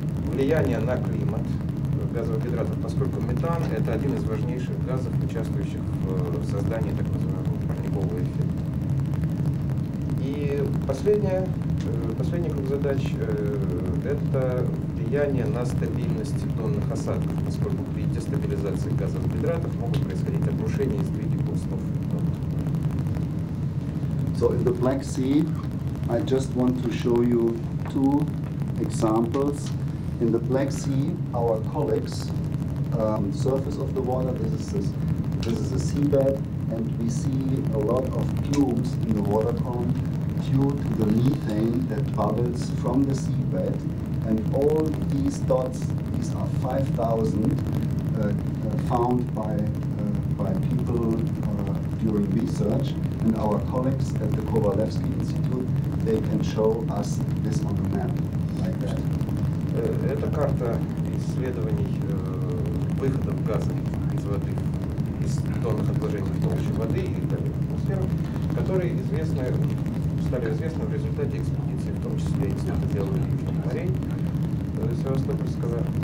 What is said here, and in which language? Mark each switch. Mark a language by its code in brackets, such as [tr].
[ru] Влияние на климат газовых гидратов, поскольку метан – это один из важнейших газов, участвующих в создании так называемого парникового эффекта. И последний круг задач – это влияние на стабильность донных осадков, поскольку при дестабилизации газовых гидратов могут происходить обрушения и сдвиги пластов. [en] So in the Black Sea, I just want to show you two examples. In the Black Sea, our colleagues, surface of the water, this is a seabed, and we see a lot of plumes in the water column due to the methane that bubbles from the seabed. And all these dots, these are 5,000 found by people during research. And our colleagues at the Kovalevsky Institute, they can show us this on the map like that. [ru] Это карта исследований выходов газа из воды, из донных отложений в толще воды и далее в атмосферу, которые известны, стали известны в результате экспедиции, в том числе Института дела Южных морей Севастопольского.